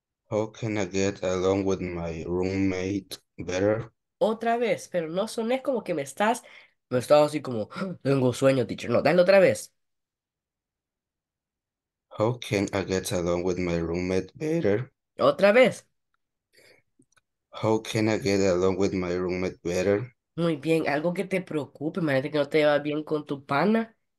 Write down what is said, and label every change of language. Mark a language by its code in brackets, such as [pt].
[en] How can I get along with my roommate better? [es] Otra vez, pero no sonés como que me estás así como, tengo sueño, teacher. No, dale otra vez. [en] How can I get along with my roommate better? [es] Otra vez. [en] How can I get along with my roommate better? [es] Muy bien, algo que te preocupe, imagínate que no te llevas bien con tu pana.